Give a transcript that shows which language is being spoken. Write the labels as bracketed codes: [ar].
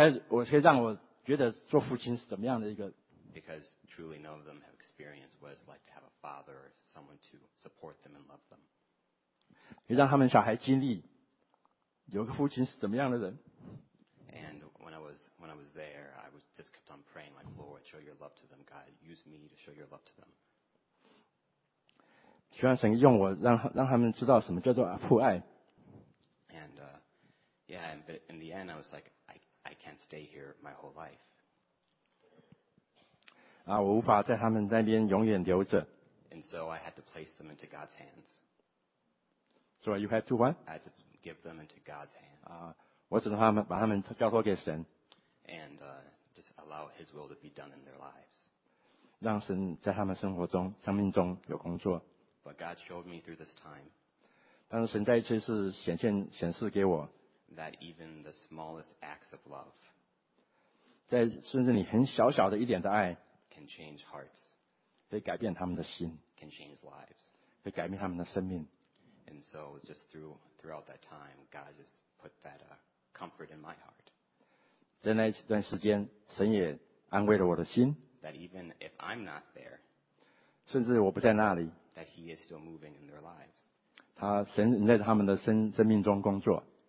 [zh] 我可以让我觉得做父亲是怎么样的一个。 [en] Because truly none of them have experienced what it's like to have a father or someone to support them and love them. [zh] 也让他们小孩经历。有个父亲是怎么样的人 [en] ？And when I was there, I was just kept on praying, like Lord, show your love to them, God, use me to show your love to them. [zh] 希望神用我让他们知道什么叫做父爱。 [en] And yeah, but in the end, I was like, I can't stay here my whole life. [zh] 啊，我无法在他们那边永远留着。 [en] And so I had to place them into God's hands. So you had to what? Give them into God's hands. [zh] 我只能把他们交托给神。 [en] And just allow His will to be done in their lives. [zh] 让神在他们生活中、生命中有工作。 [en] But God showed me through this time. [zh] 但是神在一次是显示给我。 [en] That even the smallest acts of love. [zh] 在甚至你很小小的一点的爱。 [en] Can change hearts. [zh] 可以改变他们的心。 [en] Can change lives. [zh] 可以改变他们的生命。 [en] And so just throughout that time, God just put that comfort in my heart. [zh] 在那一段时间，神也安慰了我的心。 [en] That even if I'm not there, [zh] 甚至我不在那里， [en] that He is still moving in their lives. [zh] 他神在他们的生命中工作。